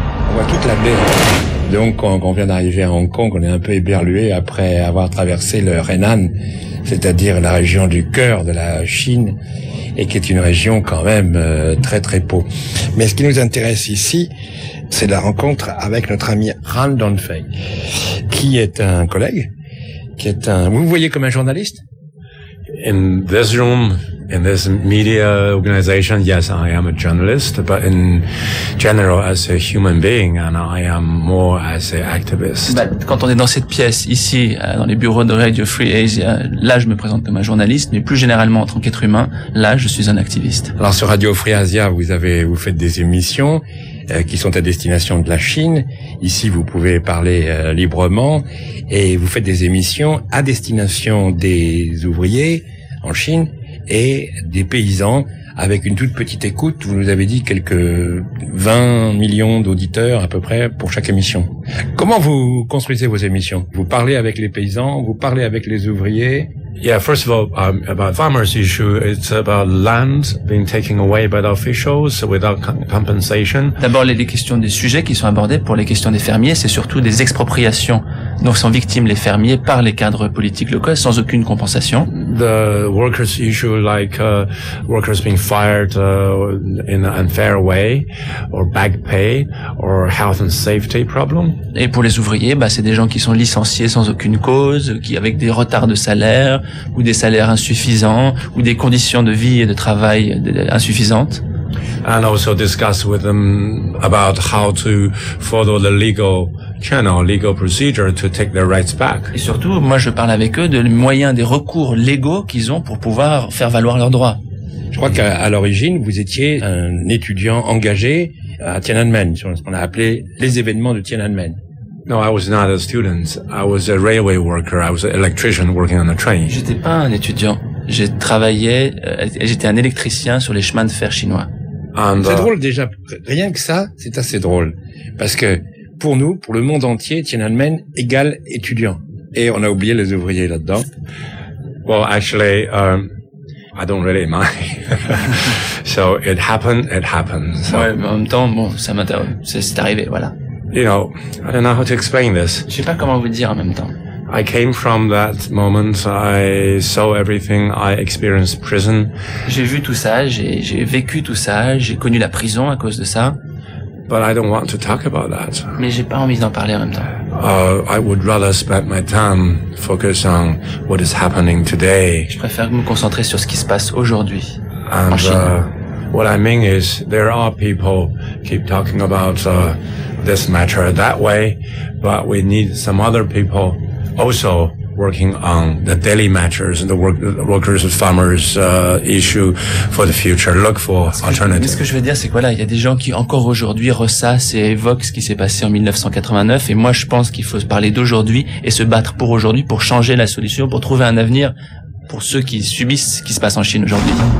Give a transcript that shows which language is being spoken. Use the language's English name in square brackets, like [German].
[French] On voit toute la baie. Donc quand on vient d'arriver à Hong Kong, on est un peu éberlué après avoir traversé le Hainan, c'est-à-dire la région du cœur de la Chine, et qui est une région quand même très très pauvre. Mais ce qui nous intéresse ici, c'est la rencontre avec notre ami Han Dongfeng, qui est un collègue, qui est un... Vous voyez comme un journaliste? [English] In this room, in this media organization, yes, I am a journalist, but in general, as a human being, and I am more as an activist. [French] Bah, quand on est dans cette pièce, ici, dans les bureaux de Radio Free Asia, là, je me présente comme un journaliste, mais plus généralement, en tant qu'être humain, là, je suis un activiste. Alors, sur Radio Free Asia, vous faites des émissions qui sont à destination de la Chine. Ici, vous pouvez parler librement, et vous faites des émissions à destination des ouvriers en Chine et des paysans, avec une toute petite écoute. Vous nous avez dit quelques 20 millions d'auditeurs à peu près pour chaque émission. Comment vous construisez vos émissions? Vous parlez avec les paysans, vous parlez avec les ouvriers? [English] Yeah, first of all, about farmers issue, it's about land being taken away by the officials without compensation. [French] D'abord, les questions des sujets qui sont abordés pour les questions des fermiers, c'est surtout des expropriations dont sont victimes les fermiers par les cadres politiques locaux sans aucune compensation. [English] the workers issue, like workers being fired in an unfair way, or back pay, or health and safety problem. [French] Et pour les ouvriers, bah, c'est des gens qui sont licenciés sans aucune cause, qui avec des retards de salaire, ou des salaires insuffisants, ou des conditions de vie et de travail insuffisantes. [English] And also discuss with them about how to follow the legal channel, legal procedure to take their rights back. [French] Et surtout, moi, je parle avec eux des moyens, des recours légaux qu'ils ont pour pouvoir faire valoir leurs droits. Je crois qu'à l'origine, vous étiez un étudiant engagé à Tiananmen, sur ce qu'on a appelé les événements de Tiananmen. [English] No, I was not a student. I was a railway worker. I was an electrician working on a train. [French] J'étais pas un étudiant. J'ai travaillé, j'étais un électricien sur les chemins de fer chinois. C'est drôle déjà, rien que ça, c'est assez drôle. Parce que pour nous, pour le monde entier, Tiananmen égale étudiant. Et on a oublié les ouvriers là-dedans. [English] Well, actually, I don't really mind. So it happened, it happened. So. [French] Ouais, mais en même temps, bon, ça m'intéresse, c'est arrivé, voilà. [English] You know, I don't know how to explain this. [French] Je sais pas comment vous dire en même temps. [English] I came from that moment, I saw everything, I experienced prison. [French] J'ai vu tout ça, j'ai vécu tout ça, j'ai connu la prison à cause de ça. [English] But I don't want to talk about that. [French] Mais j'ai pas envie d'en parler en même temps. [English] I would rather spend my time focus on what is happening today. [French] Je préfère me concentrer sur ce qui se passe aujourd'hui. [English] And, [French] en Chine. [English] What I mean is, there are people keep talking about this matter that way, but we need some other people also working on the daily matters and the workers and farmers issue for the future. Look for alternatives. [French] Mais ce que je veux dire, c'est que voilà, il y a des gens qui encore aujourd'hui ressassent et évoquent ce qui s'est passé en 1989. Et moi, je pense qu'il faut parler d'aujourd'hui et se battre pour aujourd'hui, pour changer la solution, pour trouver un avenir pour ceux qui subissent ce qui se passe en Chine aujourd'hui.